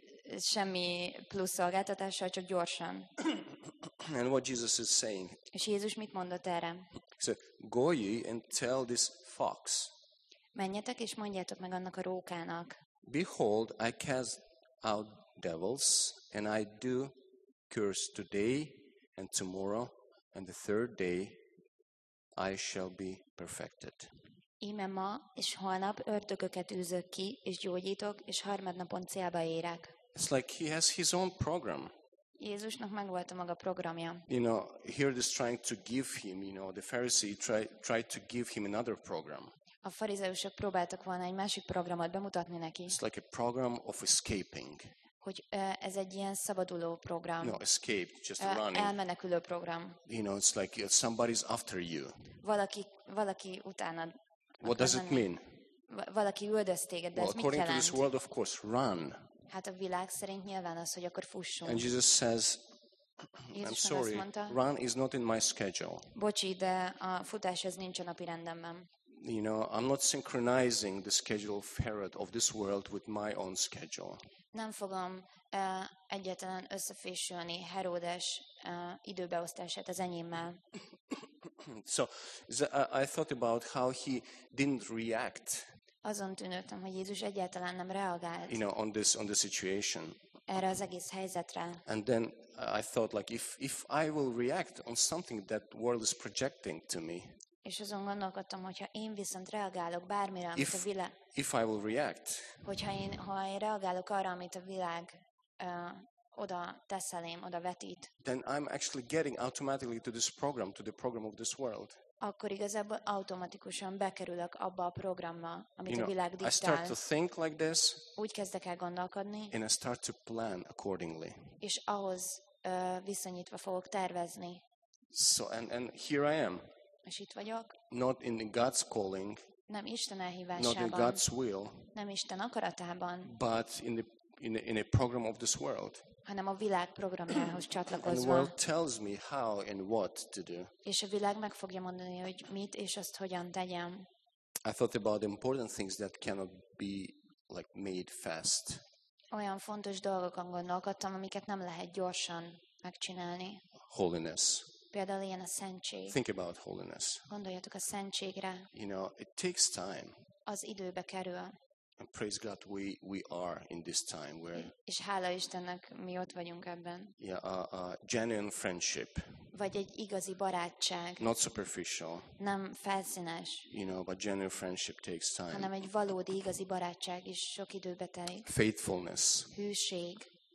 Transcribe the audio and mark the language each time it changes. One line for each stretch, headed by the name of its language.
Hungarian: Semmi plusz szolgáltatással, csak gyorsan.
English: And what Jesus is saying.
Hungarian: És Jézus mit mondott erre?
English: So, go ye and tell this fox.
Hungarian: Menjetek és mondjátok meg annak a rókának.
English: Behold, I cast out devils, and I do cures today and tomorrow, and the third day I shall be perfected.
Hungarian: Íme ma és holnap ördögöket űzök ki, és gyógyítok, és harmadnapon célba érek.
English: It's like he has his own program.
Hungarian: Jézusnak megvolt a maga programja.
English: You know, Herod is trying to give him, you know, the Pharisee tried to give him another program.
Hungarian: A farizeusok próbáltak volna egy másik programot bemutatni neki.
English: It's like a program of escaping.
Hungarian: Hogy ez egy ilyen szabaduló program.
English: No, escape, just running.
Hungarian: Elmenekülő program.
English: You know, it's like somebody's after you.
Hungarian: Valaki utána.
English: What does it mean?
Hungarian: Valaki üldöz téged, de
English: well,
Hungarian: ez mit jelent?
English: According to this world, of course, run.
Hungarian: Hát a világ szerint nyilván az, hogy akkor fussunk.
English: And Jesus says,
Hungarian: Jézus
English: I'm sorry,
Hungarian: mondta,
English: run is not in my schedule.
Hungarian: Bocsi, de a futás ez nincs a napi rendemben.
English: You know, I'm not synchronizing the schedule of Herod of this world with my own schedule.
Hungarian: Nem fogom egyetlen összefésülni Herodes időbeosztását az enyémmel.
English: So I thought about how he didn't react.
Hungarian: Azon tűnődtem, hogy Jézus egyáltalán nem reagált.
English: You know, on this situation.
Hungarian: Erre az egész helyzetre.
English: And then I thought like if I will react on something that the world is projecting to me.
Hungarian: És azon gondolkodtam, hogyha én viszont reagálok bármire, amit a világ.
English: If I will react.
Hungarian: Ha én reagálok arra, amit a világ oda teszelém, oda vetít.
English: Then I'm actually getting automatically to this program, to the program of this world.
Hungarian: Akkor igazából automatikusan bekerülök abba a programba, amit a világ diktál.
English: I start to think like this.
Hungarian: Úgy kezdek el gondolkodni.
English: And I start to plan accordingly.
Hungarian: És ahhoz viszonyítva fogok tervezni.
English: So and here I am.
Hungarian: És itt vagyok.
English: Not in God's calling.
Hungarian: Nem Isten elhívásában.
English: Not in God's will.
Hungarian: Nem Isten akaratában.
English: But in a program of this world.
Hungarian: Hanem a világ programjához csatlakozva.
English: And the world tells me how and what to do.
Hungarian: És a világ meg fogja mondani, hogy mit és azt hogyan tegyem.
English: I thought about important things that cannot be like made fast.
Hungarian: Olyan fontos dolgokon gondolkodtam, amiket nem lehet gyorsan megcsinálni.
English: Holiness.
Hungarian: Például ilyen a szentség.
English: Think about holiness.
Hungarian: Gondoljatok a szentségre.
English: You know, it takes time.
Hungarian: Az időbe kerül.
English: And praise God, we are in this time where.
Hungarian: És hála Istennek, mi ott vagyunk ebben.
English: Yeah, a genuine friendship.
Hungarian: Vagy egy igazi barátság.
English: Not superficial.
Hungarian: Nem felszínes.
English: You know, but genuine friendship takes time.
Hungarian: Hanem egy valódi igazi barátság is sok időbe telik.
English: Faithfulness.
Hungarian: Hűség.